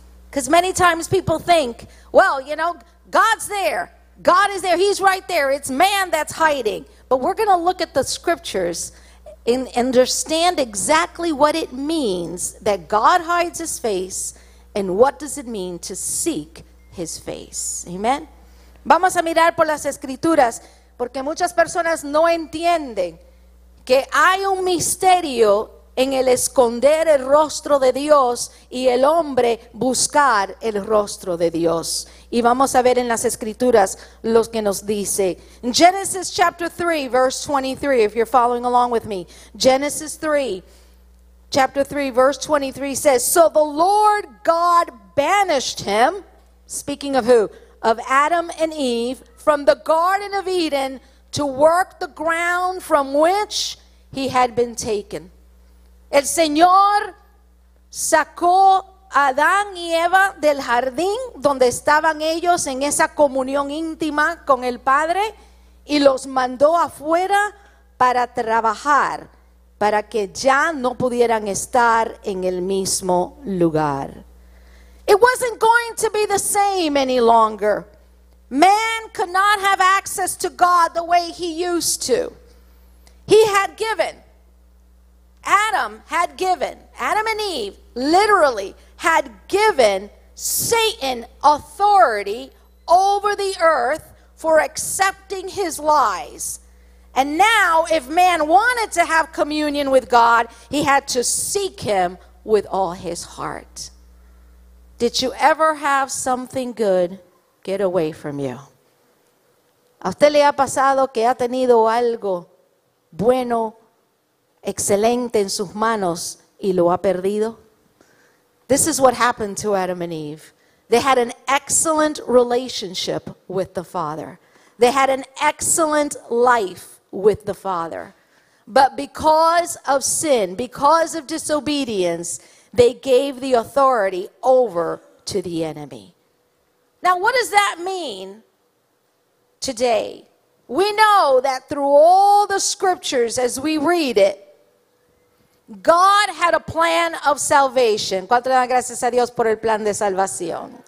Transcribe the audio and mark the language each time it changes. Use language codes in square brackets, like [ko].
[en] Because many times people think, well, you know, God's there. God is there. He's right there. It's man that's hiding. But we're going to look at the scriptures and understand exactly what it means that God hides his face and what does it mean to seek his face. Amen. [es] Vamos a mirar por las escrituras porque muchas personas no entienden que hay un misterio en el esconder el rostro de Dios y el hombre buscar el rostro de Dios. Y vamos a ver en las escrituras lo que nos dice. [en] Genesis chapter 3, verse 23, if you're following along with me. Genesis 3, chapter 3, verse 23 says, so the Lord God banished him, speaking of who? Of Adam and Eve, from the Garden of Eden to work the ground from which he had been taken. [es] El Señor sacó a Adán y Eva del jardín donde estaban ellos en esa comunión íntima con el Padre y los mandó afuera para trabajar, para que ya no pudieran estar en el mismo lugar. [en] It wasn't going to be the same any longer. Man could not have access to God the way he used to. He had given. Adam had given, Adam and Eve literally had given Satan authority over the earth for accepting his lies. And now if man wanted to have communion with God, he had to seek him with all his heart. Did you ever have something good get away from you? [es] ¿A usted le ha pasado que ha tenido algo bueno, excelente en sus manos y lo ha perdido? [en] This is what happened to Adam and Eve. They had an excellent relationship with the Father. They had an excellent life with the Father. But because of sin, because of disobedience, they gave the authority over to the enemy. Now, what does that mean today. We know that through all the scriptures as we read it, God had a plan of salvation. [es] ¿Cuánto le dan gracias a Dios por el plan de salvación?